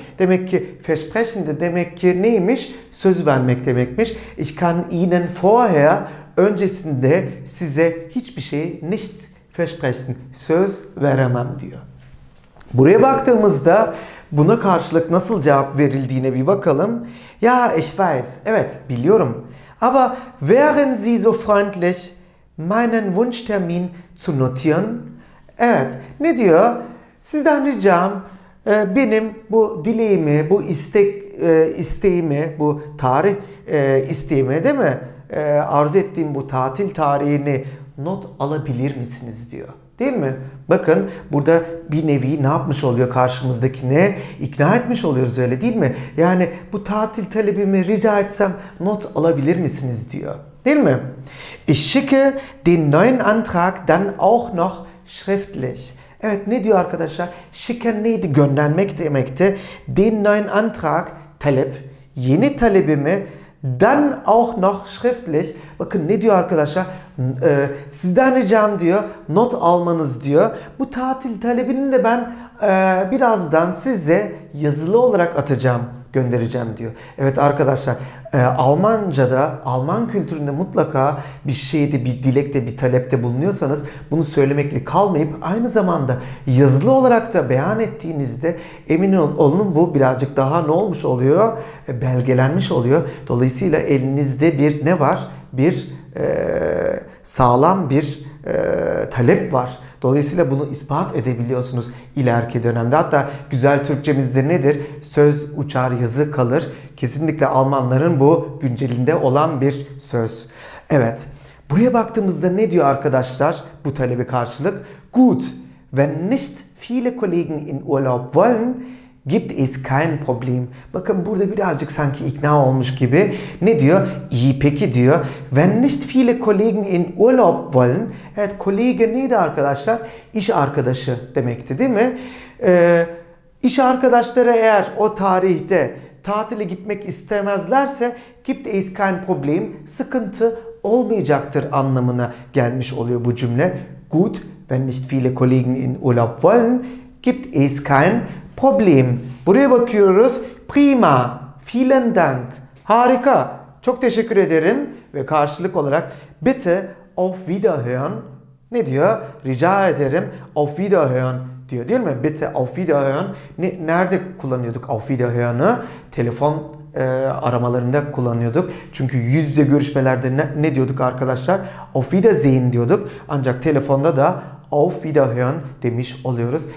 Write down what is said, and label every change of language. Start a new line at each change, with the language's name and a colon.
Turkish: Demek ki versprechen de demek ki neymiş? Söz vermek demekmiş.
German: Ich kann Ihnen vorher,
Turkish: öncesinde size hiçbir şey,
German: nicht versprechen,
Turkish: söz veremem diyor. Buraya baktığımızda buna karşılık nasıl cevap verildiğine bir bakalım.
German: Ja, ich weiß.
Turkish: Evet, biliyorum.
German: Aber wären Sie so freundlich, meinen Wunschtermin zu notieren?
Turkish: Evet, ne diyor? Sizden ricam, benim bu dileğimi, bu isteğimi, bu tarih isteğimi, değil mi? Arzu ettiğim bu tatil tarihini not alabilir misiniz diyor. Değil mi? Bakın burada bir nevi ne yapmış oluyor karşımızdakine? İkna etmiş oluyoruz, öyle değil mi? Yani bu tatil talebimi rica etsem not alabilir misiniz diyor. Değil mi?
German: Ich schicke den neuen Antrag dann auch noch schriftlich.
Turkish: Evet, ne diyor arkadaşlar? Schicken neydi? Göndermek demekti.
German: Den neuen Antrag,
Turkish: talep, yeni talebimi
German: dann auch noch schriftlich.
Turkish: Bakın ne diyor arkadaşlar? Sizden ricam diyor, not almanız diyor. Bu tatil talebini de ben birazdan size yazılı olarak atacağım, göndereceğim diyor. Evet arkadaşlar, Almanca'da, Alman kültüründe mutlaka bir şeyde, bir dilekte, bir talepte bulunuyorsanız bunu söylemekle kalmayıp aynı zamanda yazılı olarak da beyan ettiğinizde emin olun bu birazcık daha ne olmuş oluyor? Belgelenmiş oluyor. Dolayısıyla elinizde bir ne var? Bir sağlam bir talep var. Dolayısıyla bunu ispat edebiliyorsunuz ileriki dönemde. Hatta güzel Türkçemizde nedir? Söz uçar, yazı kalır. Kesinlikle Almanların bu güncelinde olan bir söz. Evet. Buraya baktığımızda ne diyor arkadaşlar bu talebi karşılık?
German: Gut. Wenn nicht viele Kollegen in Urlaub wollen, gibt es kein Problem.
Turkish: Bakın burada birazcık sanki ikna olmuş gibi. Ne diyor? İyi peki diyor.
German: Wenn nicht viele Kollegen in Urlaub wollen.
Turkish: Evet, Kollege neydi arkadaşlar? İş arkadaşı demekti değil mi? İş arkadaşları eğer o tarihte tatile gitmek istemezlerse
German: gibt es kein Problem.
Turkish: Sıkıntı olmayacaktır anlamına gelmiş oluyor bu cümle.
German: Gut, wenn nicht viele Kollegen in Urlaub wollen, gibt es kein Problem.
Turkish: Buraya bakıyoruz.
German: Prima. Vielen Dank.
Turkish: Harika. Çok teşekkür ederim. Ve karşılık olarak
German: bitte auf Wiederhören.
Turkish: Ne diyor? Rica ederim. Auf Wiederhören diyor, değil mi?
German: Bitte auf Wiederhören.
Turkish: Nerede kullanıyorduk auf Wiederhören'ı? Telefon aramalarında kullanıyorduk. Çünkü yüz yüze görüşmelerde ne diyorduk arkadaşlar? Auf Wiedersehen diyorduk. Ancak telefonda da auf Wiederhören demiş oluyoruz.